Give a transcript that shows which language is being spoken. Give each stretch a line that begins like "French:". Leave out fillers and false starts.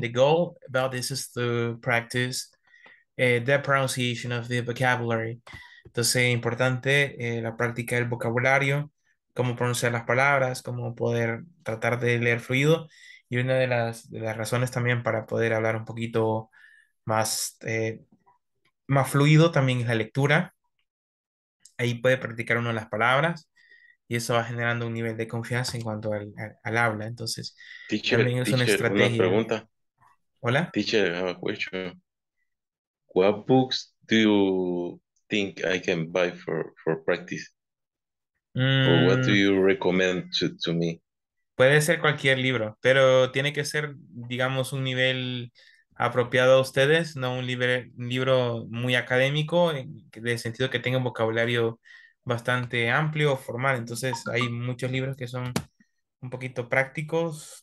English: The goal about this is to practice the pronunciation of the vocabulary.
Spanish: Entonces, es importante la práctica del vocabulario, cómo pronunciar las palabras, cómo poder tratar de leer fluido. Y una de las razones también para poder hablar un poquito más, más fluido también es la lectura. Ahí puede practicar uno las palabras y eso va generando un nivel de confianza en cuanto al habla. Entonces, teacher, también es una estrategia. Una pregunta. ¿Hola?
English: Teacher, I have a question. What books do you think I can buy for practice? Mm. Or what do you recommend to me?
Spanish: Puede ser cualquier libro, pero tiene que ser, digamos, un nivel apropiado a ustedes, no un libro muy académico, de sentido que tenga un vocabulario bastante amplio o formal. Entonces, hay muchos libros que son un poquito prácticos.